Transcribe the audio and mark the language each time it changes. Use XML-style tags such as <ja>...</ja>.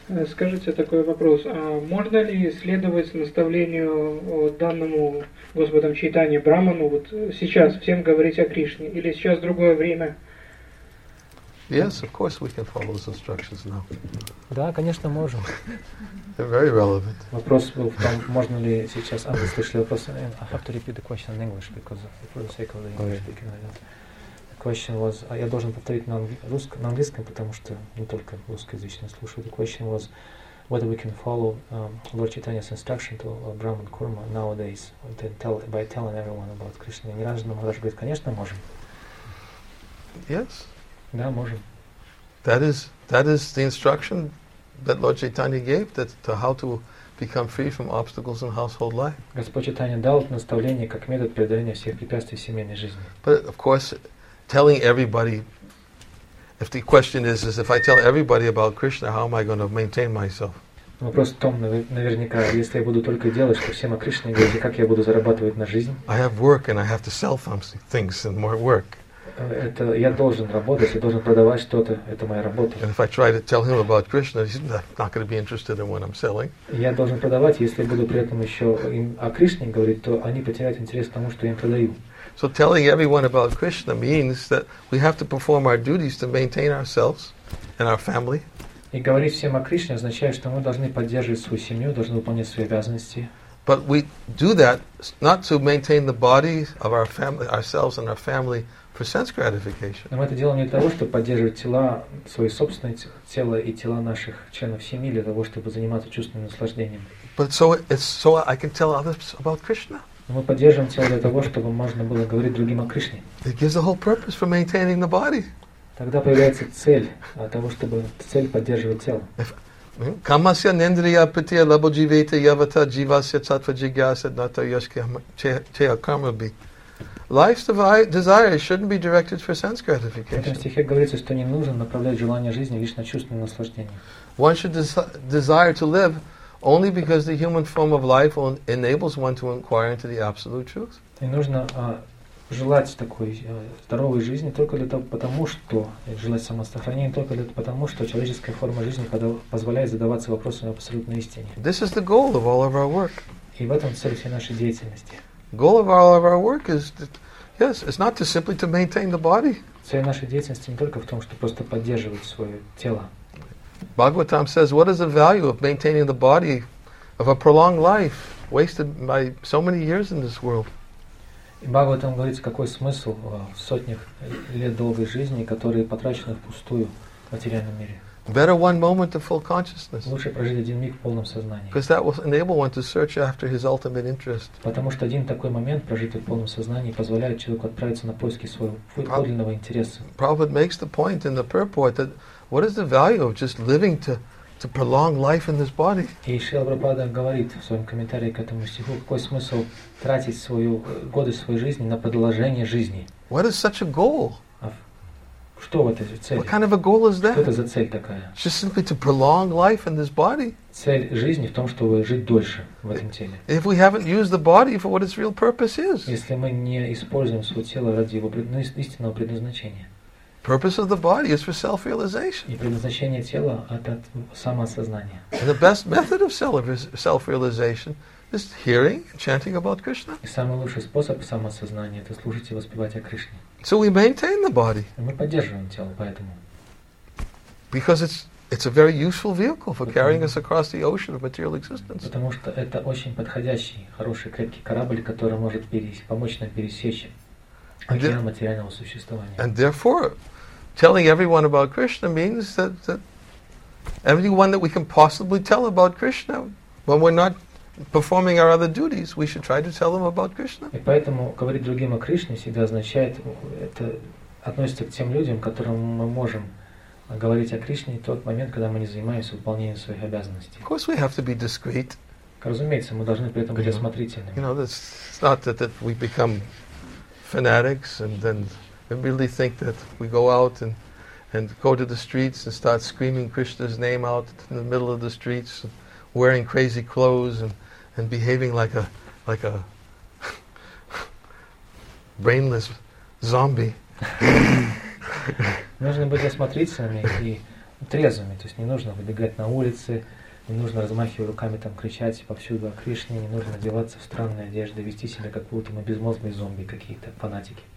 <ru>Скажите такой вопрос. А можно ли следовать наставлению данному Господом Чайтанье Брахману вот сейчас всем говорить о Кришне? Или сейчас другое время?</ru> <en>Yes, of course we can follow those instructions now.</en> <ru>Да, конечно, можем.</ru> <en>They're very relevant.</en> <ru>Вопрос был в том, можно ли сейчас... А, вы слышали вопрос?</ru> <en>I have to repeat the question in English, because for the sake of the English speaking. question was,</en> <ru>я должен повторить на английском, потому что не только русскоязычные слушают.</ru> <en>The question was whether we can follow Lord Chaitanya's instruction to Brahman Kurma nowadays by telling everyone about Krishna.</en> <ru>И Ниранджана Махарадж говорит, конечно, можем.</ru> <en>Yes.</en> <ru>Да, можем.</ru> <en>That is the instruction that Lord Chaitanya gave, that to how to become free from obstacles in household life.</en> <ru>Господь Чайтанья дал наставление как метод преодоления всех препятствий в семейной жизни.</ru> <en>But of course, telling everybody, if the question is if I tell everybody about Krishna, how am I going to maintain myself?</en> <ru>Вопрос в том, наверняка, если я буду только делать, что всем о Кришне говорить, как я буду зарабатывать на жизнь?</ru> <en>I have work and I have to sell things and more work.</en> <ru>Это я должен работать, я должен продавать что-то, это моя работа.</ru> <en>And if I try to tell him about Krishna, he's not going to be interested in what I'm selling.</en> <ru>Я должен продавать, если буду при этом еще им о Кришне говорить, то они потеряют интерес к тому, что я им продаю.</ru> <en>So telling everyone about Krishna means that we have to perform our duties to maintain ourselves and our family.</en> <ru>И говорить всем о Кришне означает, что мы должны поддерживать свою семью, должны выполнять свои обязанности.</ru> <en>But we do that not to maintain the bodies of our family, ourselves and our family for sense gratification.</en> <ru>Но мы это делаем не для того, чтобы поддерживать тела, свои собственные тела и тела наших членов семьи, для того, чтобы заниматься чувственным наслаждением.</ru> <en>But so it's so I can tell others about Krishna.</en> <ru>Мы поддерживаем тело для того, чтобы можно было говорить другим о Кришне.</ru> <en>It gives the whole purpose for maintaining the body.</en> <ru>Тогда появляется цель того, чтобы цель поддерживать тело.</ru> <sa>Камасья нендрия пытия лабодживейте явата дживасья цатва джигьяса дната йошки чея кармаби.</sa> <en>Life's desires shouldn't be directed for sense gratification.</en> <ru>В этом стихе говорится, что не нужно направлять желание жизни лишь на чувственное наслаждение.</ru> <en>One should desire to live only because the human form of life enables one to inquire into the absolute truth.</en> <ru>Не нужно желать такой здоровой жизни только для того, потому что желать самосохранения только для того, потому что человеческая форма жизни позволяет задаваться вопросами абсолютной истине.</ru> <en>This is the goal of all of our work.</en> <ru>И в этом цель всей нашей деятельности.</ru> <en>Goal of all of our work is that, yes, it's not just simply to maintain the body.</en> <ru>Цель нашей деятельности не только в том, чтобы просто поддерживать свое тело.</ru> <en>Bhagavatam says, what is the value of maintaining the body of a prolonged life wasted by so many years in this world?</en> <ru>И Бхагаватам говорит, какой смысл в сотнях лет долгой жизни, которые потрачены впустую в материальном мире.</ru> <en>Better one moment of full consciousness.</en> <ru>Лучше прожить один миг в полном сознании.</ru> <en>Because that will enable one to search after his ultimate interest.</en> <ru>Потому что один такой момент, прожитый в полном сознании, позволяет человеку отправиться на поиски своего подлинного интереса.</ru> <en>Prabhupada makes the point in the purport that what is the value of just living to prolong life in this body?</en> <ru>И Шрила Прабхупада говорит в своем комментарии к этому стиху, какой смысл тратить свою годы своей жизни на продолжение жизни?</ru> <en>What is such a goal?</en> <ru>Что в этой цели?</ru> <en>What kind of a goal is that?</en> <ru>Что это за цель такая?</ru> <en>Just simply to prolong life in this body.</en> <ru>Цель жизни в том, чтобы жить дольше в этом теле.</ru> <en>If we haven't used the body for what its real purpose is.</en> <ru>Если мы не используем свое тело ради его истинного предназначения.</ru> <en>Purpose of the body is for self-realization.</en> <ru>И предназначение тела это самоосознание.</ru> <en>And the best method of self-realization is hearing and chanting about Krishna.</en> <ru>И самый лучший способ самоосознания это слушать и воспевать о Кришне.</ru> <en>So we maintain the body.</en> <ru>Мы поддерживаем тело, поэтому.</ru> <en>Because it's a very useful vehicle for carrying us across the ocean of material existence.</en> <ru>Потому что это очень подходящий, хороший, крепкий корабль, который может помочь нам пересечь океан материального существования.</ru> <en>And therefore, telling everyone about Krishna means that everyone that we can possibly tell about Krishna, when we're not performing our other duties, we should try to tell them about Krishna.</en> <ru>И поэтому говорить другим о Кришне всегда означает, это относится к тем людям, которым мы можем говорить о Кришне в тот момент, когда мы не занимаемся выполнением своих обязанностей.</ru> <en>Of course, we have to be discreet.</en> <ru>Разумеется, мы должны при этом быть осмотрительными.</ru> <en>You know, it's not that we become fanatics and then really think that we go out and go to the streets and start screaming Krishna's name out in the middle of the streets, wearing crazy clothes and behaving like a brainless zombie.</en> <ru>Нужно быть осмотрительными и трезвыми, то есть не нужно выбегать на улицы, не нужно размахивать руками там кричать повсюду о Кришне, не нужно одеваться в странные одежды, вести себя как будто мы безмозглые зомби какие-то фанатики.</ru>